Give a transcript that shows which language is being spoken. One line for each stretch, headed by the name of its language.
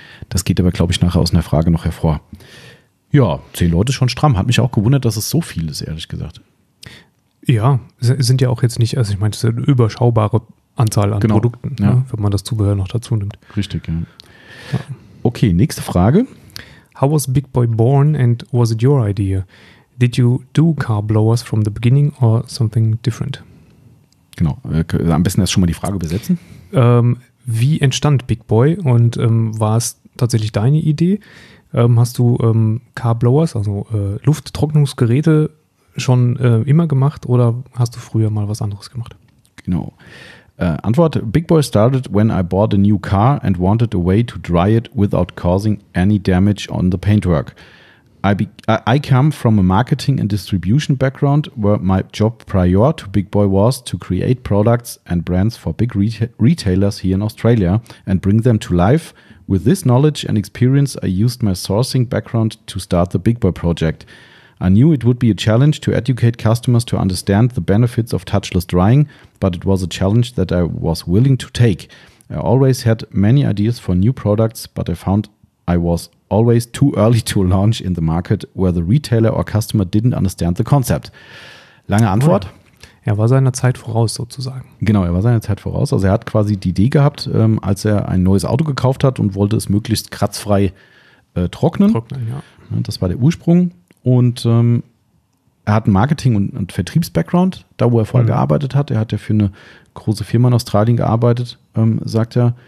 German: Das geht aber, glaube ich, nachher aus einer Frage noch hervor. Ja, 10 Leute schon stramm. Hat mich auch gewundert, dass es so viel ist, ehrlich gesagt. Ja, sind ja auch jetzt nicht, also ich meine, es ist eine überschaubare Anzahl an Produkten, ja. Ne, wenn man das Zubehör noch dazu nimmt. Richtig, ja. Okay, nächste Frage.
English: How was Big Boy born and was it your idea? Did you do car blowers from the beginning or something different?
German: Genau, am besten erst schon mal die Frage übersetzen. Wie entstand Big Boy und war es tatsächlich deine Idee? Hast du Car Blowers, also Lufttrocknungsgeräte, schon immer gemacht oder hast du früher mal was anderes gemacht? Genau.
English: Antwort: Big Boy started when I bought a new car and wanted a way to dry it without causing any damage on the paintwork. I come from a marketing and distribution background where my job prior to Big Boy was to create products and brands for big retailers here in Australia and bring them to life. With this knowledge and experience, I used my sourcing background to start the Big Boy project. I knew it would be a challenge to educate customers to understand the benefits of touchless drying, but it was a challenge that I was willing to take. I always had many ideas for new products, but I found I was always too early to launch in the market where the retailer or customer didn't understand the concept.
German: Lange Antwort. Er war seiner Zeit voraus sozusagen. Genau, er war seiner Zeit voraus. Also er hat quasi die Idee gehabt, als er ein neues Auto gekauft hat und wollte es möglichst kratzfrei trocknen. Trocknen, ja. Das war der Ursprung. Und er hat einen Marketing- und Vertriebs-Background, da wo er vorher gearbeitet hat. Er hat ja für eine große Firma in Australien gearbeitet, sagt er.